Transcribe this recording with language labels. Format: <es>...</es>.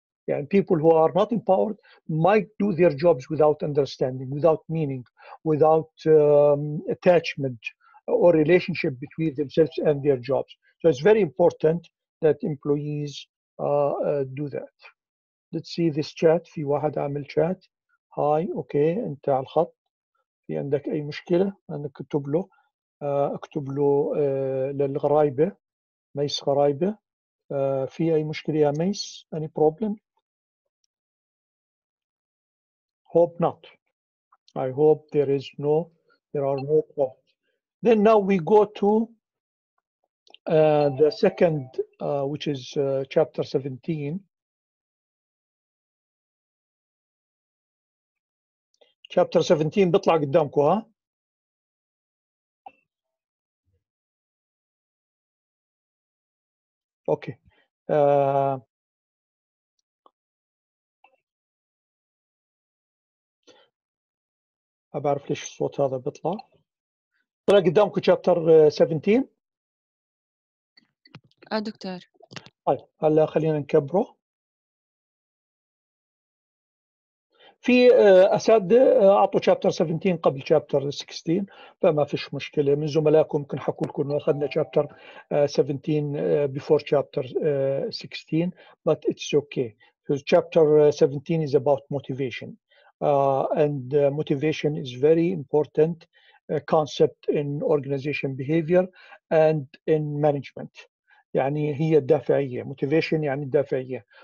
<en>Yeah, and people who are not empowered might do their jobs without understanding, without meaning, without attachment or relationship between themselves and their jobs. So it's very important that employees do that. Let's see this chat.</en> <ar>في واحد عامل chat.</ar> <en>Hi, okay,</en> <ar>انت على الخط. في عندك اي مشكلة؟ انا اكتب له. اكتب له للغرايبة. ميس غرايبة. في اي مشكلة يا ميس؟</ar> <en>Any problem? Hope not. I hope there is no, there are no problems. Then now we go to the second, which is chapter 17.</en> <ar>Chapter 17 بطلع قدامكم ها؟ Okay. أبعرف ليش الصوت هذا بطلع. طلع قدامكم chapter 17. دكتور. طيب هلا خلينا نكبره. في أساد أعطوا chapter 17 قبل chapter 16 فما فيش مشكلة من زملائكم ممكن حكوا لكم إنه أخذنا</ar> <en>chapter 17 before chapter 16 but it's okay because chapter 17 is about motivation and motivation is very important concept in organization behavior and in management.</en> <ar>يعني هي الدافعية motivation يعني الدافعية.</ar>